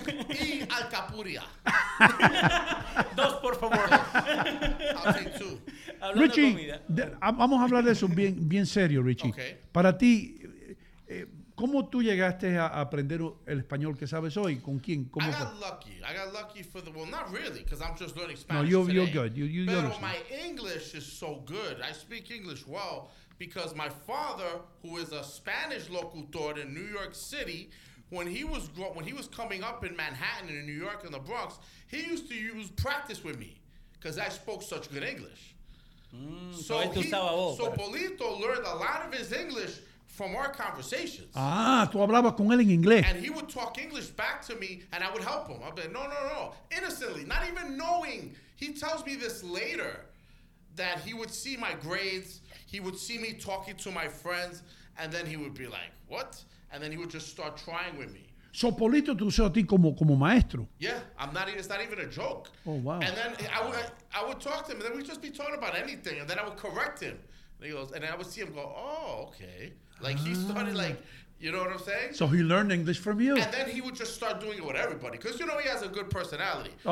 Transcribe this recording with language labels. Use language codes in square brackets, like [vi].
[es] Y alcapurria. Dos, por favor. Hablando Richie, comida. Vamos a hablar de eso bien, bien serio, Richie. Okay. Para ti, ¿cómo tú llegaste a aprender el español que sabes hoy? ¿Con quién? ¿Cómo [en] fue? I got lucky for the... Well, not really, because I'm just learning Spanish. No, you're good. You're my English is so good. I speak English well because my father, who is a Spanish locutor in New York City, when he was coming up in Manhattan and in New York and the Bronx, he used to use practice with me because I spoke such good English. So Polito learned a lot of his English from our conversations. [es] Ah, tú hablabas con él en inglés. [en] And he would talk English back to me, and I would help him. I'd be like, no. Innocently, not even knowing. He tells me this later, that he would see my grades, he would see me talking to my friends, and then he would be like, what? And then he would just start trying with me. [es] So Polito te usó a ti como maestro. [en] Yeah, it's not even a joke. Oh, wow. And then I would talk to him, and then we'd just be talking about anything, and then I would correct him. And he goes, and I would see him go, oh, okay. Like, he started, like, you know what I'm saying? So he learned English from you. And then he would just start doing it with everybody. Because, you know, he has a good personality.